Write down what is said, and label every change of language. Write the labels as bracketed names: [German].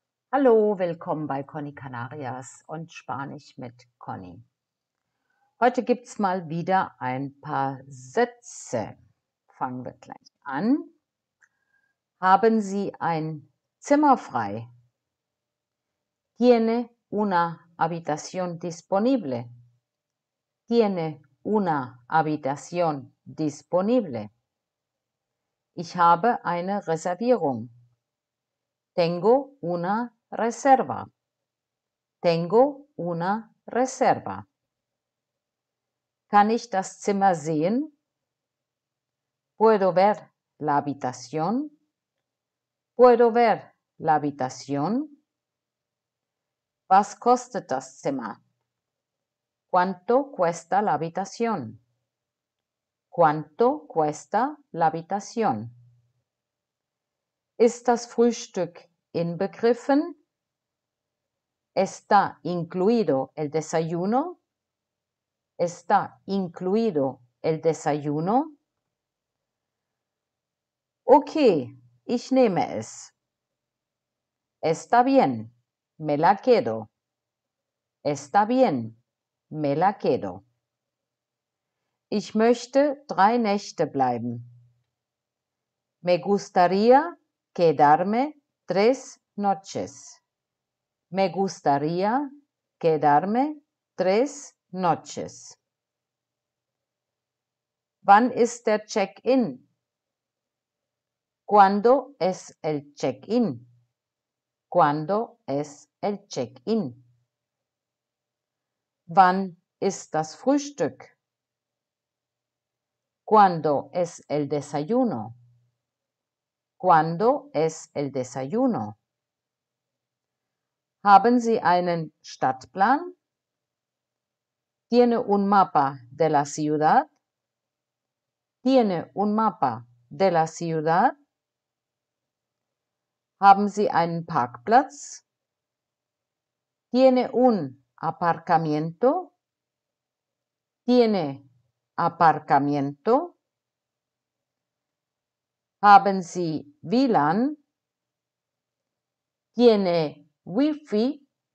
[German] Hallo, willkommen bei Conny Canarias und Spanisch mit Conny. Heute gibt's mal wieder ein paar Sätze. Fangen wir gleich an. Haben Sie ein Zimmer frei? [Spanish] Tiene una habitación disponible. Tiene una habitación disponible. [German] Ich habe eine Reservierung. [Spanish] Tengo una Reserva. Tengo una reserva. [German] Kann ich das Zimmer sehen? [Spanish] Puedo ver la habitación. Puedo ver la habitación. [German] Was kostet das Zimmer? [Spanish] ¿Cuánto cuesta la habitación? ¿Cuánto cuesta la habitación? [German] ¿Ist das Frühstück inbegriffen? [Spanish] ¿Está incluido el desayuno? ¿Está incluido el desayuno? [German] Okay, ich nehme es. [Spanish] Está bien, me la quedo. Está bien, me la quedo. [German] Ich möchte 3 Nächte bleiben. [Spanish] Me gustaría quedarme 3 noches. Me gustaría quedarme 3 noches. [German] ¿Wann ist der Check-in? [Spanish] ¿Cuándo es el check-in? ¿Cuándo es el check-in? [German] ¿Wann ist das Frühstück? [Spanish] ¿Cuándo es el desayuno? ¿Cuándo es el desayuno? [German] ¿Haben Sie einen Stadtplan? [Spanish] ¿Tiene un mapa de la ciudad? ¿Tiene un mapa de la ciudad? [German] ¿Haben Sie einen Parkplatz? [Spanish] ¿Tiene un aparcamiento? ¿Tiene aparcamiento? [German] ¿Haben Sie WLAN? [Spanish] ¿Tiene Wifi?